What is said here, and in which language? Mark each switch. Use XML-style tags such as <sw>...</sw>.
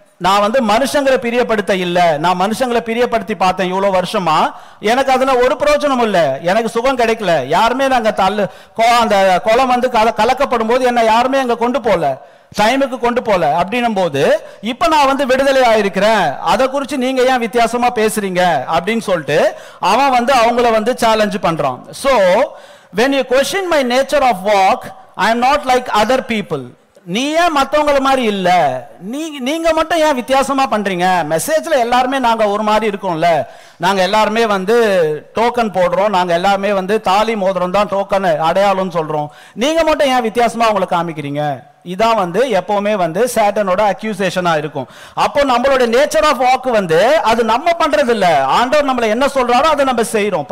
<ta>நான் வந்து மனுஷங்களை பிரியப்படுத்த இல்ல. நான் மனுஷங்களை பிரியப்படுத்தி பார்த்தேன் இவ்வளவு வருஷமா, எனக்கு அதுல ஒரு பிரயோஜனம் இல்ல, எனக்கு சுகம் கிடைக்கல. யாருமே அங்க அந்த குளம் வந்து கலக்கப்படும் போது என்ன யாருமே அங்க கொண்டு போல, டைமுக்கு கொண்டு போல அப்படின்னும் போது இப்ப நான் வந்து விடுதலை ஆயிருக்கிறேன், அதை குறிச்சு நீங்க ஏன் வித்தியாசமா பேசுறீங்க அப்படின்னு சொல்லிட்டு அவன் வந்து அவங்கள வந்து சேலஞ்சு பண்றான்.</ta> <en>So when you question my nature of walk, I am not like other people.</en> <ta>நீங்க மத்தவங்கள மாதிரி இல்ல, நீங்க மட்டும் ஏன் வித்தியாசமா பண்றீங்க? மெசேஜ்ல எல்லாருமே நாங்க ஒரு மாதிரி இருக்கோம்ல, நாங்க எல்லாருமே வந்து டோக்கன் போடுறோம், நாங்க எல்லாருமே வந்து தாலி மோதிரம் தான் டோக்கன் அடையாளம் சொல்றோம், நீங்க மட்டும் ஏன் வித்தியாசமா அவங்களை காமிக்கிறீங்க? இதான் வந்து எப்பவுமே வந்து சாட்டனோட அக்யூசேஷனா இருக்கும். அப்போ நம்மளோட நேச்சர் ஆஃப் வாக் வந்து அது நம்ம பண்றது இல்ல, ஆண்டவர் நம்மளை என்ன சொல்றாரோ அதை நம்ம செய்யறோம்.</ta>